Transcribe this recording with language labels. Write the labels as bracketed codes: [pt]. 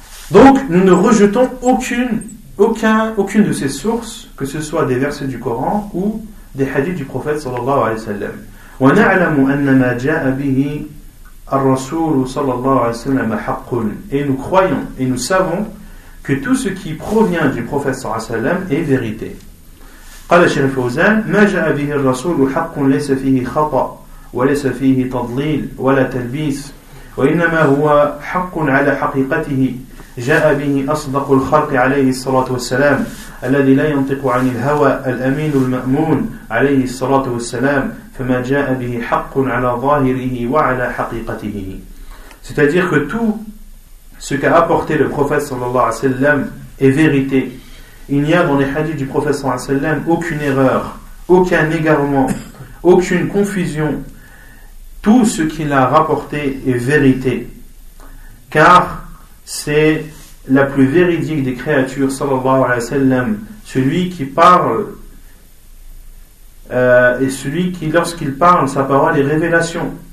[fr] Donc, nous ne rejetons aucune de ces sources, que ce soit des versets du Coran ou des hadiths du prophète sallallahu alayhi wa sallam. [ar] ونعلم أن ما جاء به الرسول صلى الله عليه وسلم حق [fr] et nous croyons et nous savons que tout ce qui provient du prophète صلى الله عليه وسلم est vérité. [ar] قال الشيخ الفوزان ما جاء به الرسول حق ليس فيه خطأ وليس فيه تضليل ولا تلبيس وإنما هو حق على حقيقته جاء به أصدق الخلق عليه الصلاة والسلام الذي لا ينطق عن الهوى الأمين المأمون عليه الصلاة والسلام فما جاء به حق على ظاهره وعلى حقيقته. [fr] C'est-à-dire que tout ce qu'a apporté le prophète sallallahu alayhi wa sallam est vérité. Il n'y a dans les hadiths du prophète sallallahu alayhi wa sallam aucune erreur, aucun égarement, aucune confusion. Tout ce qu'il a rapporté est vérité. Car c'est la plus véridique des créatures sallallahu alayhi wa sallam, celui qui parle et celui qui, lorsqu'il parle, sa parole est révélation.